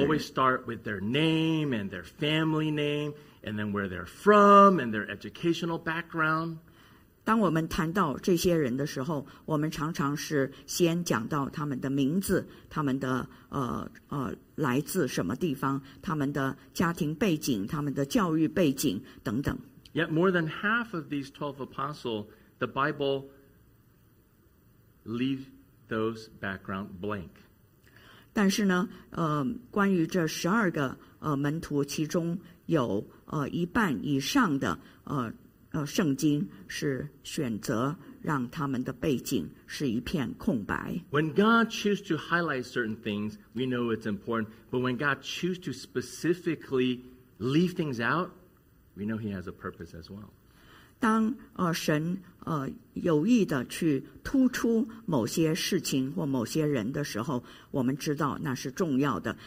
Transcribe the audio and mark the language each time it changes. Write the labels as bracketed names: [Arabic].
[English] we always start with their name and their family name and then where they're from and their educational background [Chinese] 当我们谈到这些人的时候我们常常是先讲到他们的名字他们的来自什么地方他们的家庭背景他们的教育背景等等 [English] Yet more than half of these 12 apostles, the Bible leaves those background blank. [Chinese] 但是呢，关于这十二个门徒，其中有一半以上的圣经是选择让他们的背景是一片空白。 [English] When God chooses to highlight certain things, we know it's important. But when God chooses to specifically leave things out, We know he has a purpose as well. [Chinese] 当神有意的去突出某些事情或某些人的时候，我们知道那是重要的。